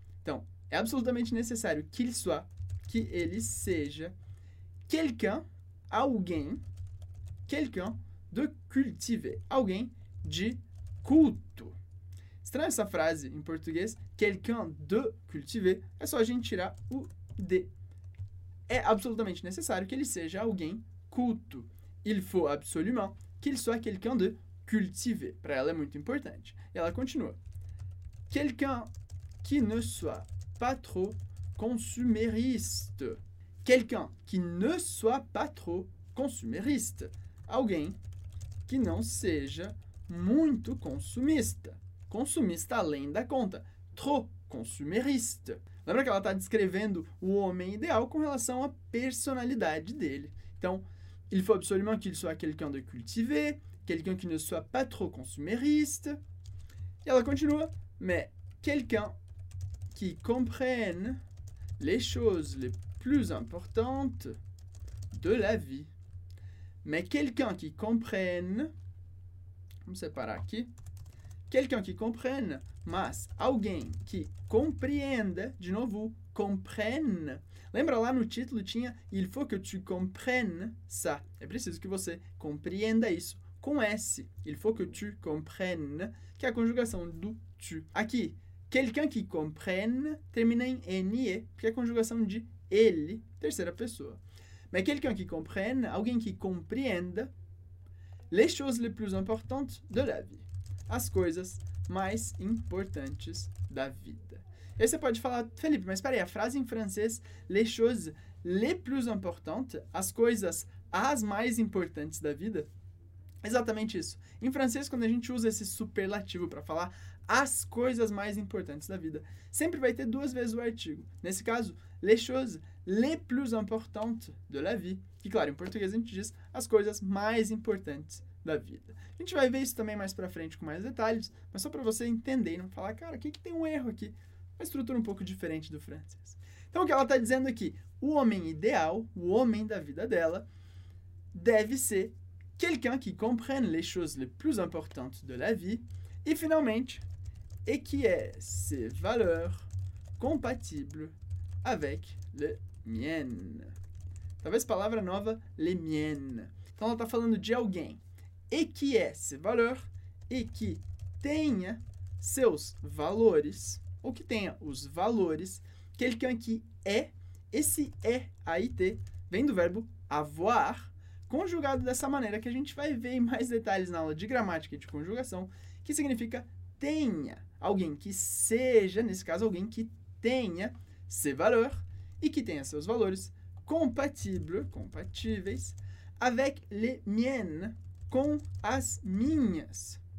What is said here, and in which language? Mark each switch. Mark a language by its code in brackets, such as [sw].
[pt] Então, é absolutamente necessário [fr] qu'il soit, [pt] que ele seja, quelqu'un, alguém, [fr] quelqu'un de cultivé, [pt] alguém de culto. Estranha essa frase em português, [fr] quelqu'un de cultiver, [pt] é só a gente tirar o de. É absolutamente necessário que ele seja alguém culto. [fr] Il faut absolument qu'il soit quelqu'un de cultivé. [pt] Para ela é muito importante. E ela continua. [fr] Quelqu'un qui ne soit pas trop consumériste. Quelqu'un qui ne soit pas trop consumériste. [pt] Alguém que não seja muito consumista. Consumista além da conta. [fr] Trop consumériste. [pt] Lembra que ela está descrevendo o homem ideal com relação à personalidade dele. [fr] Então, il faut absolument qu'il soit quelqu'un de cultivé, quelqu'un qui ne soit pas trop consumériste. [pt] E ela continua, [fr] mais quelqu'un qui comprenne les choses les plus importantes de la vie. Mais quelqu'un qui comprenne, [pt] vamos separar aqui, [fr] quelqu'un qui comprenne, [pt] mas alguém que compreenda, de novo, comprenne. Lembra lá no título tinha [fr] il faut que tu comprennes ça. [pt] É preciso que você compreenda isso, com S. [fr] Il faut que tu comprennes, [pt] que é a conjugação do tu. Aqui, [fr] quelqu'un qui comprenne [pt] termina em NE, que é a conjugação de ele, terceira pessoa. [fr] Mais quelqu'un qui comprenne, [pt] alguém que compreenda [fr] les choses les plus importantes de la vie. [pt] As coisas mais importantes da vida. E aí você pode falar, Felipe, mas peraí, a frase em francês, [fr] les choses les plus importantes, [pt] as coisas as mais importantes da vida? Exatamente isso. Em francês, quando a gente usa esse superlativo para falar as coisas mais importantes da vida, sempre vai ter duas vezes o artigo. Nesse caso, [fr] les choses les plus importantes de la vie. [pt] Que, claro, em português a gente diz as coisas mais importantes da vida. A gente vai ver isso também mais para frente com mais detalhes, mas só para você entender e não falar, cara, o que tem um erro aqui? Uma estrutura um pouco diferente do francês. Então, o que ela está dizendo aqui? O homem ideal, o homem da vida dela, deve ser [fr] quelqu'un qui comprenne les choses les plus importantes de la vie. [pt] E, finalmente, [fr] et qui ait ses valeurs compatibles avec les miennes. [pt] Talvez palavra nova, [fr] les miennes. [pt] Então, ela está falando de alguém. [fr] Et qui ait ses valeurs [pt] e que tenha seus valores, ou que tenha os valores, [fr] quelqu'un qui ait, [pt] esse é A-I-T, vem do verbo avoir, conjugado dessa maneira que a gente vai ver em mais detalhes na aula de gramática e de conjugação, que significa tenha, alguém que seja, nesse caso, alguém que tenha [fr] ses valeurs [pt] e que tenha seus valores compatíveis [fr] avec les miennes, [pt] com as minhas.